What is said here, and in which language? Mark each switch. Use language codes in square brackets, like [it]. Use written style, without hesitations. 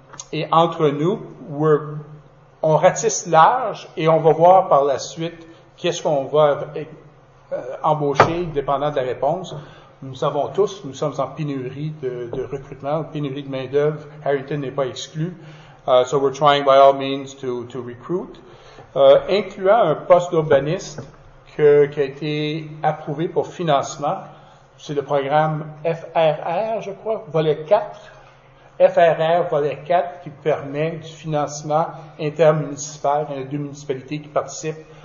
[fr] Et entre nous, on ratisse large et on va voir par la suite qu'est-ce qu'on va embaucher, dépendant de la réponse. Nous savons tous, nous sommes en pénurie de recrutement, pénurie de main-d'œuvre. Harrington n'est pas exclu. [en] So we're trying by all means to recruit. [fr] Incluant un poste d'urbaniste qui a été approuvé pour financement. C'est le programme FRR, je crois, volet 4. FRR volet 4 qui permet du financement intermunicipal. Il y a deux municipalités qui participent.